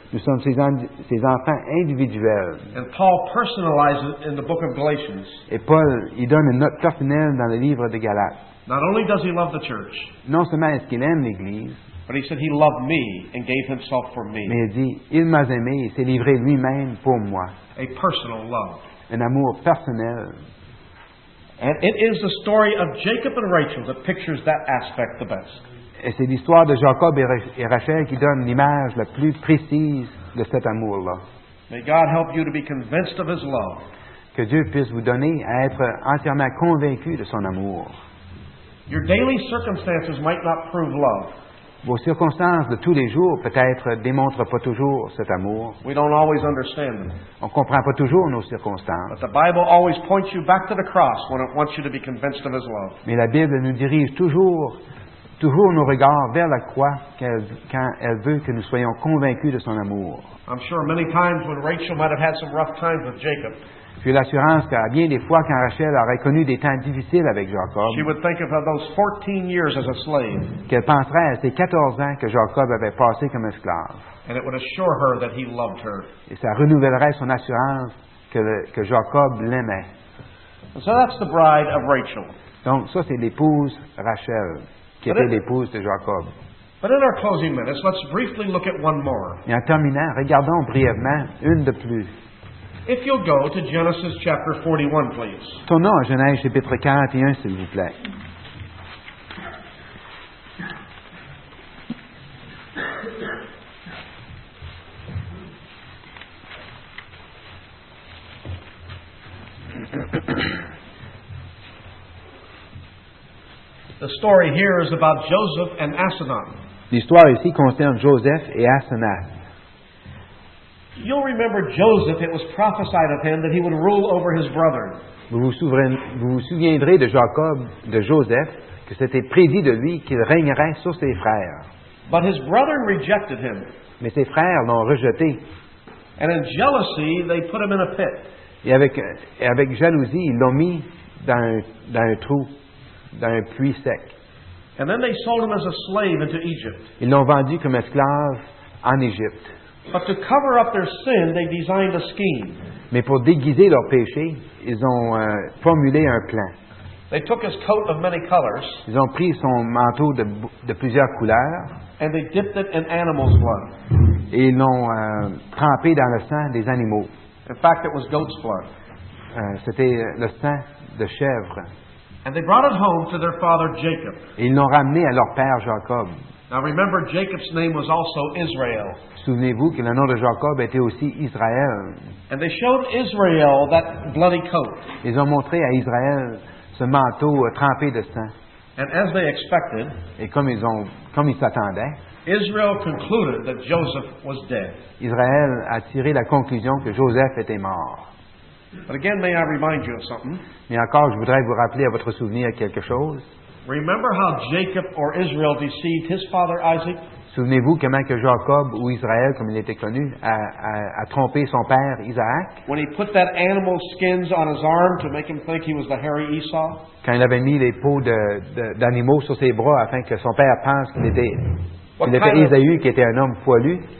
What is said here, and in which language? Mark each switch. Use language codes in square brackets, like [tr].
[fr] Nous sommes ses enfants individuels. [en] And Paul personalizes it in the book of Galatians. [fr] Et Paul, il donne une note personnelle dans le livre de Galates. [en] Not only does he love the church. [fr] Non seulement est-ce qu'il aime l'Église. [en] But he said he loved me and gave himself for me. [fr] Mais il dit, il m'a aimé et s'est livré lui-même pour moi. [en] A personal love. [fr] Un amour personnel. [en] And it is the story of Jacob and Rachel that pictures that aspect the best. [fr] Et c'est l'histoire de Jacob et Rachel qui donne l'image la plus précise de cet amour-là. [en] May God help you to be convinced of his love. [fr] Que Dieu puisse vous donner à être entièrement convaincu de son amour. [en] Your daily circumstances might not prove love. [fr] Vos circonstances de tous les jours, peut-être, démontrent pas toujours cet amour. [en] We don't always understand them. [fr] On comprend pas toujours nos circonstances. [en] But the Bible always points you back to the cross when it wants you to be convinced of His love. [fr] Mais la Bible nous dirige toujours nos regards vers la croix quand elle veut que nous soyons convaincus de son amour. [en] I'm sure many times when Rachel might have had some rough times with Jacob. [fr] J'ai l'assurance qu'à bien des fois, quand Rachel aurait connu des temps difficiles avec Jacob, [en] she would think of those 14 years as a slave, [fr] qu'elle penserait à ces 14 ans que Jacob avait passé comme esclave. [en] And it would assure her that he loved her. [fr] Et ça renouvellerait son assurance que Jacob l'aimait. [en] So that's the bride of Rachel. [fr] Donc ça, c'est l'épouse Rachel, qui [en] but [fr] était l'épouse de Jacob. [en] But in our closing minutes, let's briefly look at one more. [fr] Et en terminant, regardons brièvement une de plus. [en] If you'll go to Genesis chapter 41, please. [fr] Tournons à Genèse chapitre 41, s'il vous plaît. [en] The story here is about Joseph and Asenath. [fr] L'histoire ici concerne Joseph et Asenath. [en] You'll remember Joseph, it was prophesied of him that he would rule over his brother. [fr] Vous vous souviendrez de Jacob, de Joseph, que c'était prédit de lui qu'il régnerait sur ses frères. [en] But his brother rejected him. [fr] Mais ses frères l'ont rejeté. [en] And in jealousy, they put him in a pit. [fr] Et avec jalousie, ils l'ont mis dans un trou, dans un puits sec. [en] And then they sold him as a slave into Egypt. [fr] Ils l'ont vendu comme esclave en Égypte. [en] But to cover up their sin, they designed a scheme. [fr] Mais pour déguiser leur péché, ils ont formulé un plan. [en] They took his coat of many colors. [fr] Ils ont pris son manteau de plusieurs couleurs. [en] And they dipped it in animal's blood. [fr] Et ils l'ont trempé dans le sang des animaux. [en] In fact, it was goat's blood. [fr] C'était le sang de chèvre. [en] And they brought it home to their father Jacob. [fr] Et ils l'ont ramené à leur père Jacob. [en] Now remember, Jacob's name was also Israel. [fr] Souvenez-vous que le nom de Jacob était aussi Israël. [en] And they showed Israel that bloody coat. [fr] Ils ont montré à Israël ce manteau trempé de sang. [en] And as they expected, [fr] et comme ils s'attendaient, [en] Israel concluded that Joseph was dead. [fr] Israël a tiré la conclusion que Joseph était mort. [en] But again, may I remind you of something? [fr] Mais encore, je voudrais vous rappeler à votre souvenir quelque chose. [en] Remember how Jacob or Israel deceived his father Isaac? [fr] Souvenez-vous comment que Jacob ou Israël, comme il était connu, a trompé son père Isaac? [en] When he put that animal skins on his arm to make him think he was the hairy Esau? [fr] Quand il avait mis les peaux d'animaux sur ses bras afin que son père pense qu'il était Esaü, qui était un homme poilu?